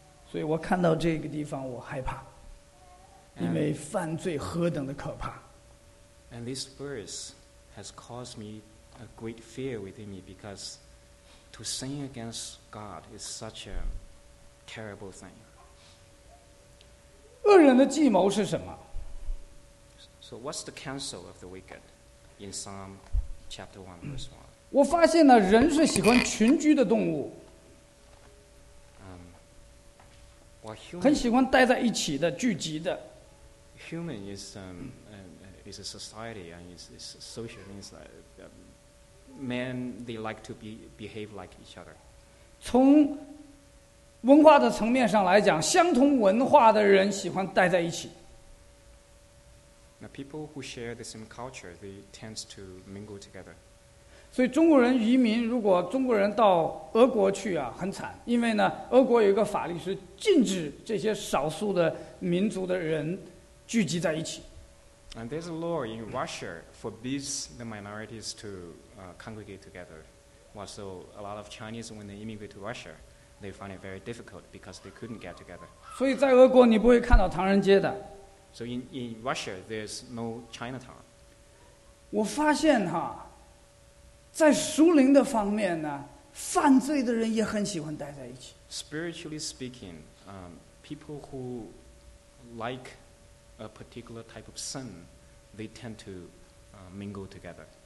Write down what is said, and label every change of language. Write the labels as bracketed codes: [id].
[zh] 所以我看到这个地方我害怕。因为犯罪何等的可怕。 [en] And this verse has caused me a great fear within me because to sin against God is such a terrible thing. [zh] 恶人的计谋是什么？ [en] So what's the counsel of the wicked in Psalm chapter 1, verse 1? [zh] 我发现呢，人是喜欢群居的动物，很喜欢待在一起的，聚集的。 [en] Human is a society and is social means like men they like to behave like each other. [zh] 从文化的层面上来讲，相同文化的人喜欢待在一起。 [en] Now people who share the same culture they tend to mingle together. [zh] 所以中国人移民，如果中国人到俄国去啊，很惨，因为呢，俄国有一个法律是禁止这些少数的民族的人聚集在一起。 [en] And there's a law in Russia forbids the minorities to congregate together. Well, so a lot of Chinese when they immigrate to Russia, they find it very difficult because they couldn't get together. [zh] 所以在俄国你不会看到唐人街的。 [en] So in Russia there's no Chinatown. [zh] 我发现哈，在属灵的方面呢，犯罪的人也很喜欢待在一起。 [en] Spiritually speaking, people who like a particular type of sin, they tend to mingle together.